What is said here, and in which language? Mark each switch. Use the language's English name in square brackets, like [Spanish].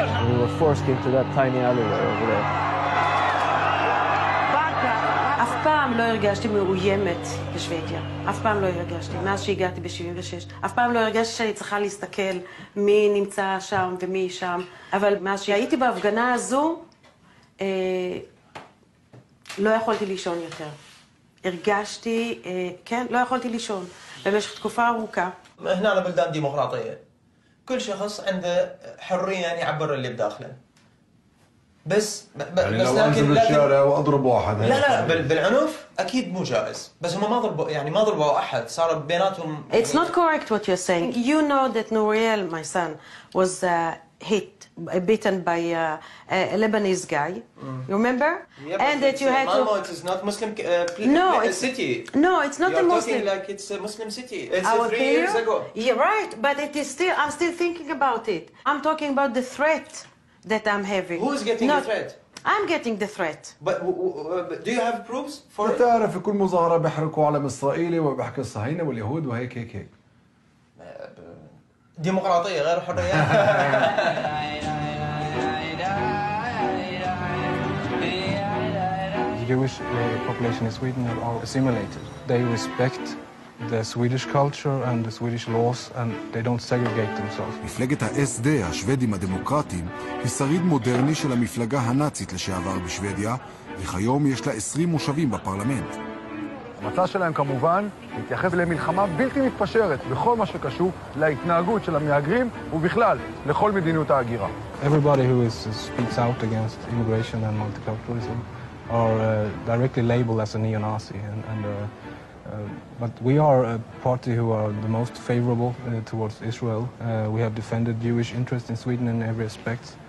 [English] We were forced into that tiny alleyway over there. [Hebrew] אף פעם לא הרגשתי מאוימת בשוודיה. אף פעם לא הרגשתי, מאז שהגעתי ב-76. אף פעם לא הרגשתי שאני צריכה להסתכל מי נמצא שם ומי שם. אבל מאז שהייתי בהפגנה הזו, לא יכולתי לישון יותר. הרגשתי, כן, לא יכולתי לישון. במשך תקופה ארוכה. [Arabic] هنا على بلدان ديمقراطيه كل شخص عنده حريه ان يعبر اللي بداخله. بس يعني لو انزل الشارع واضرب واحد لا لا بالعنف اكيد مو جائز بس هم ما ضربوا يعني ما ضربوا احد صار بيناتهم [English] It's not correct what you're saying. You know that Norell, my son, was beaten by a Lebanese guy. You remember? And that you had to Malmö, it's not Muslim it's a city. No, it's not a Muslim. You're talking like it's a Muslim city. It's 3 years ago. Yeah, right, but it is still I'm still thinking about it. I'm talking about the threat that I'm having. Who's getting Not, the threat? I'm getting the threat. But do you have proofs for it? [Arabic] تعرف كل مظاهرة بحركوا على إسرائيلي وبحكي الصهاينة واليهود وهيك هيك هيك. ديمقراطية غير حرية. [English] The Jewish population in Sweden are all assimilated. They respect the Swedish culture and the Swedish laws and they don't segregate themselves. [Hebrew] מפלגת ה-SD, השוודים הדמוקרטיים, היא שריד מודרני של המפלגה הנאצית לשעבר בשוודיה, וכיום יש לה 20 מושבים בפרלמנט. המצע שלהם כמובן מתייחס למלחמה בלתי מתפשרת בכל מה שקשור להתנהגות של המהגרים ובכלל לכל מדיניות ההגירה. [English] Everybody who speaks out against immigration and multiculturalism are directly labeled as a neo-Nazi but we are a party who are the most favorable towards Israel. We have defended Jewish interests in Sweden in every respect.